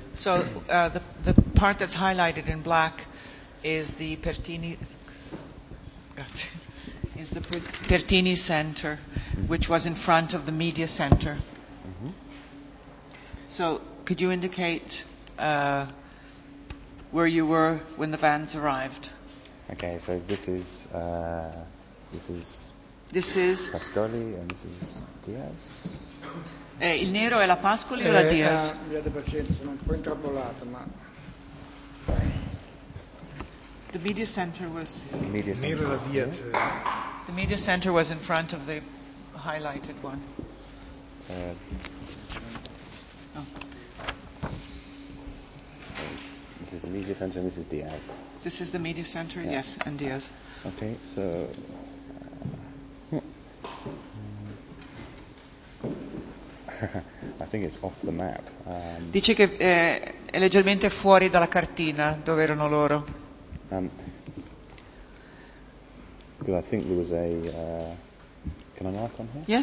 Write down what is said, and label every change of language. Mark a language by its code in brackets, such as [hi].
[en] So, the part that's highlighted in black is the Pertini, grazie, is the Pertini Center, which was in front of the Media Center. So, could you indicate where you were when the vans arrived? Okay, so this is Pascoli and this is Diaz. [it] Il nero è la Pascoli o la Diaz? Abbiate pazienza, sono un po' intrappolato, ma [en] the Media Center was Media Center. [it] Nero la Diaz. [en] The Media Center was in front of the highlighted one. So, this is the Media Center and this is Diaz. This is the Media Center, yeah. Yes, and Diaz. Okay, so I think it's off the map. [it] Dice che è leggermente fuori dalla cartina dove erano loro. [en] Because I think there was a can I mark on here?